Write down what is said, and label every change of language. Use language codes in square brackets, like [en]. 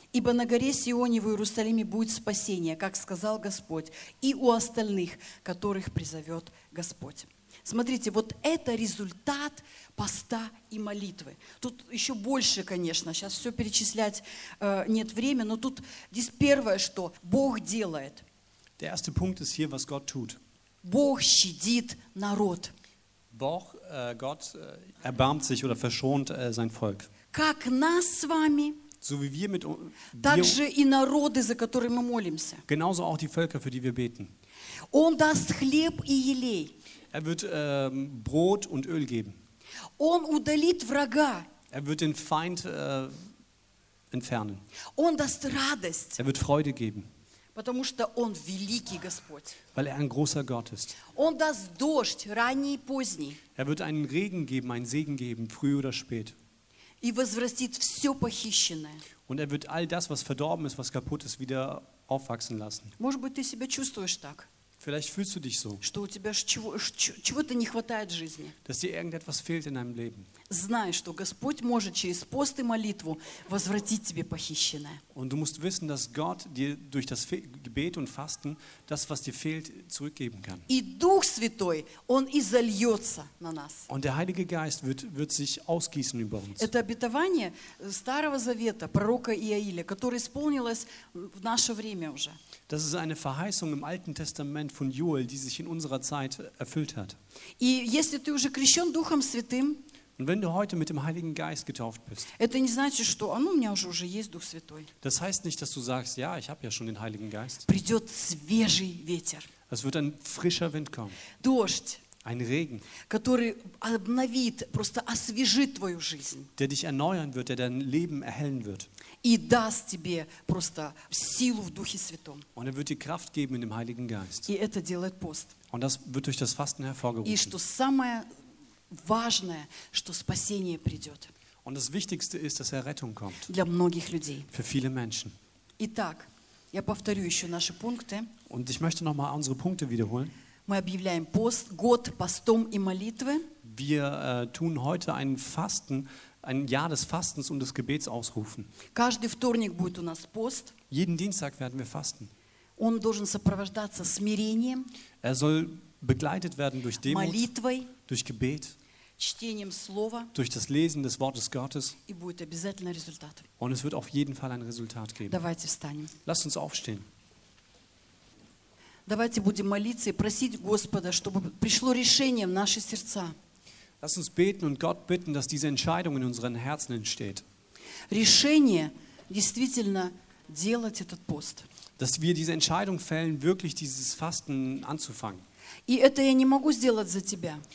[ru] Ибо на горе Сионе в Иерусалиме будет спасение, как сказал Господь, и у остальных, которых призовет Господь. Смотрите, вот это результат поста и молитвы. Тут еще больше, конечно, сейчас все перечислять нет времени, но тут здесь первое, что Бог делает. [de] Der erste Punkt ist hier, was Gott tut. [ru] Бог щадит народ. Бог, [de] Gott, erbarmt sich oder verschont sein Volk. [ru] Как нас с вами, [de] so wie wir mit, [ru] также и народы, за которые мы молимся. [de] Genauso auch die Völker, für die wir beten. [ru] Он даст хлеб и елей. [de] Er wird Brot und Öl geben. [ru] Он удалит врага. [de] Er wird den Feind entfernen. [ru] Он даст радость. [de] Er wird Freude geben. [ru] Потому что он великий Господь. [de] Weil er ein großer Gott ist. [ru] Он даст дождь, ранний и поздний. [de] Er wird einen Regen geben, einen Segen geben, früh oder spät. [ru] И возвратит все похищенное. [de] Und er wird all das, was verdorben ist, was kaputt ist, wieder aufwachsen lassen. [ru] Может быть, ты себя чувствуешь так? [de] Vielleicht fühlst du dich so, [ru] что у тебя чего-то не хватает в жизни. [de] Dass dir irgendetwas fehlt in deinem Leben. [ru] Знай, что Господь может через пост и молитву возвратить тебе похищенное. [de] Und du musst wissen, dass Gott dir durch das Gebet und Fasten das, was dir fehlt, zurückgeben kann. [ru] И Дух Святой, Он изольется на нас. [de] Und der Heilige Geist wird sich ausgießen über uns. [ru] Это обетование Старого Завета, пророка Иаиля, которое исполнилось в наше время уже. [de] Das ist eine Verheißung im Alten Testament von Joel, die sich in unserer Zeit erfüllt hat. Und wenn du heute mit dem Heiligen Geist getauft bist, das heißt nicht, dass du sagst, ja, ich habe ja schon den Heiligen Geist. Es wird ein frischer Wind kommen. Ein Regen, [ru] который обновит, просто освежит твою жизнь. [de] Der dich erneuern wird, der dein Leben erhellen wird. [ru] И даст тебе просто силу в Духе Святом. [de] Und wird dir Kraft geben in dem Heiligen Geist. [ru] И это делает пост. [de] Und das wird durch das Fasten hervorgerufen. [ru] И что самое важное, что спасение придет. [de] Und das Wichtigste ist, dass Errettung kommt. [ru] Для многих людей. [de] Für viele Menschen. [ru] Итак, Я повторю еще наши пункты. [de] Und ich möchte noch mal unsere Punkte wiederholen. [ru] Мы объявляем пост, год, постом и молитвы. [de] Wir tun heute einen Fasten, ein Jahr des Fastens und des Gebets ausrufen. [ru] Каждый вторник будет у нас пост. [de] Jeden Dienstag werden wir fasten. [ru] Он должен сопровождаться смирением. [de] Er soll begleitet werden durch Demut, [ru] молитвой, [de] durch Gebet, [ru] чтением слова, [de] durch das Lesen des Wortes Gottes. [ru] И будет обязательно результат. [de] Und es wird auf jeden Fall ein Resultat geben. [ru] Давайте встанем. [de] Lasst uns aufstehen. [ru] Давайте будем молиться и просить Господа, чтобы пришло решение в наши сердца. [de] Lasst uns beten und Gott bitten, dass diese Entscheidung in unseren Herzen entsteht. [ru] Решение действительно делать этот пост. [de] Dass wir diese Entscheidung fällen, wirklich dieses Fasten anzufangen. [ru] И это я не могу сделать за тебя.